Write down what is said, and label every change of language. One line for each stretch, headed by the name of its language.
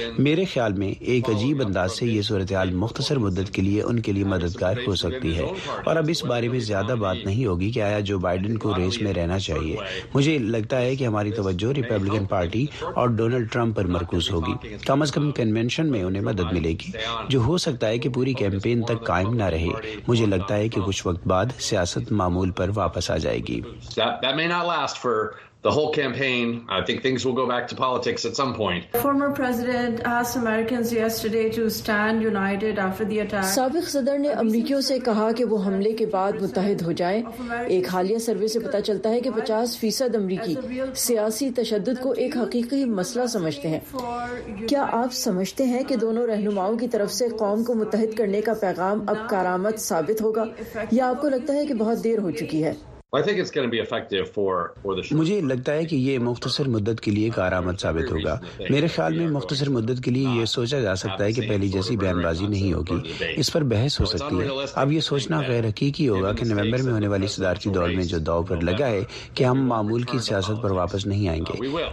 Urdu: میرے خیال میں ایک عجیب انداز سے یہ صورتحال مختصر مدت کے لیے ان کے لیے مددگار ہو سکتی ہے اور اب اس بارے میں زیادہ بات نہیں ہوگی کہ آیا جو بائیڈن کو ریس میں رہنا چاہیے. مجھے لگتا ہے کہ ہماری توجہ ریپبلکن پارٹی اور ڈونلڈ ٹرمپ پر مرکوز ہوگی. کم از کم کنونشن انہیں مدد ملے گی جو ہو سکتا ہے کہ پوری کیمپین تک قائم نہ رہے. مجھے لگتا ہے کہ کچھ وقت بعد سیاست معمول پر واپس آ جائے گی.
English: That may not last for the whole campaign. I think things will go back to politics at some point. Former president asked Americans yesterday to stand united after the attack.
Urdu: سابق صدر نے امریکیوں سے کہا کہ وہ حملے کے بعد متحد ہو جائیں. ایک حالیہ سروے سے پتا چلتا ہے کہ 50% امریکی سیاسی تشدد کو ایک حقیقی مسئلہ سمجھتے ہیں. کیا آپ سمجھتے ہیں کہ دونوں رہنماؤں کی طرف سے قوم کو متحد کرنے کا پیغام اب کارآمد ثابت ہوگا یا آپ کو لگتا ہے کہ بہت دیر ہو چکی ہے؟
English: I think it's going to be effective for the show.
Urdu: مجھے لگتا ہے کہ یہ مختصر مدت کے لیے کارآمد ثابت ہوگا. میرے خیال میں مختصر مدت کے لیے یہ سوچا جا سکتا ہے کہ پہلی جیسی بیان بازی نہیں ہوگی. اس پر بحث ہو سکتی ہے. اب یہ سوچنا غیر حقیقی ہوگا کہ نومبر میں ہونے والی صدارتی دور میں جو داؤ پر لگا ہے کہ ہم معمول کی سیاست پر واپس نہیں آئیں گے.